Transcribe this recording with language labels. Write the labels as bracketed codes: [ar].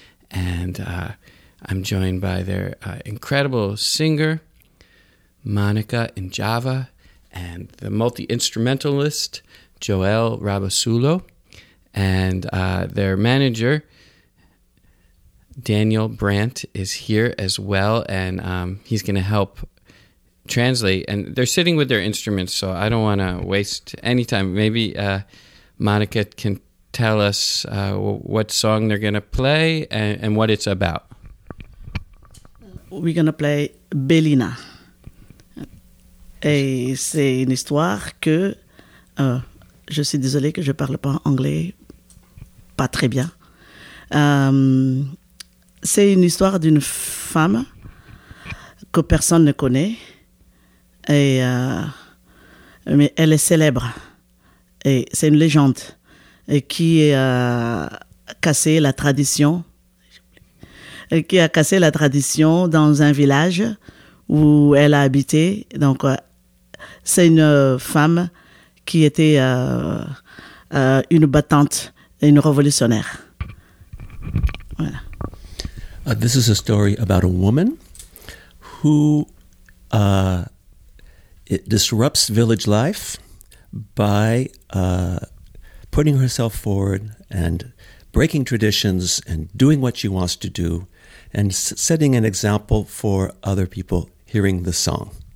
[en] And I'm joined by their incredible singer, Monica Njava, and the multi-instrumentalist, Joel Rabasulo, and their manager, Daniel Brandt, is here as well, and he's going to help translate. And they're sitting with their instruments, so I don't want to waste any time. Maybe Monica can tell us what song they're going to play and what it's about. We're going to play Belina. [fr] Et c'est une histoire que je suis désolée que je parle pas anglais pas très bien. C'est une histoire d'une femme que personne ne connaît, et mais elle est célèbre et c'est une légende et qui a cassé la tradition, et qui a cassé la tradition dans un village où elle a habité. Donc c'est une femme qui était une battante et une révolutionnaire. Voilà. [en] This is a story about a woman who it disrupts village life by putting herself forward and breaking traditions and doing what she wants to do and setting an example for other people hearing the song.